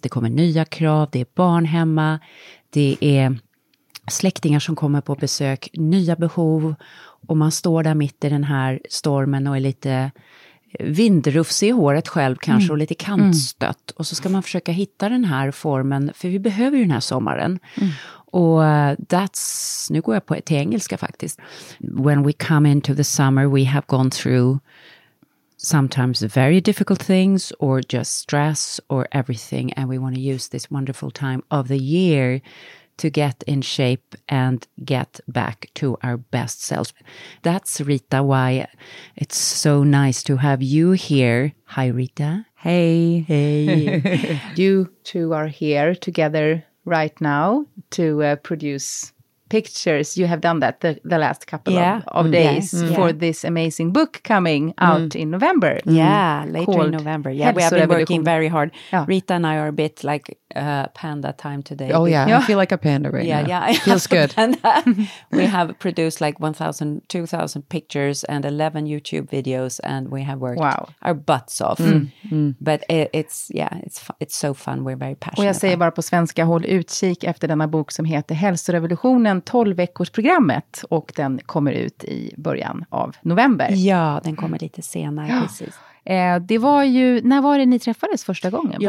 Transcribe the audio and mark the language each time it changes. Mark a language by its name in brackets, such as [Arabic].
[Swedish] Det kommer nya krav, det är barn hemma, det är släktingar som kommer på besök, nya behov. Och man står där mitt i den här stormen och är lite... vindrufsig i håret själv kanske och lite kantstött. Och så ska man försöka hitta den här formen, för vi behöver ju den här sommaren. Och that's, nu går jag på till engelska faktiskt. [English] When we come into the summer, we have gone through sometimes very difficult things or just stress or everything. And we want to use this wonderful time of the year to get in shape and get back to our best selves. That's, Rita, why it's so nice to have you here. Hi, Rita. Hey. Hey. You two are here together right now to produce pictures. You have done that the last couple of days for this amazing book coming out in November. Yeah, later in November. Yeah, we have been working very hard. Yeah. Rita and I are a bit like panda time today. Oh, yeah. I feel like a panda right now. Yeah, yeah. Feels good. We have produced like 1,000, 2,000 pictures and 11 YouTube videos, and we have worked our butts off. But it's so fun. We're very passionate. [Swedish] Och jag säger bara på svenska, håll utkik efter denna bok som heter Hälsorevolutionen, 12-veckorsprogrammet. Och den kommer ut i början av november. Ja, den kommer lite senare, precis. Det var ju, när var det ni träffades första gången?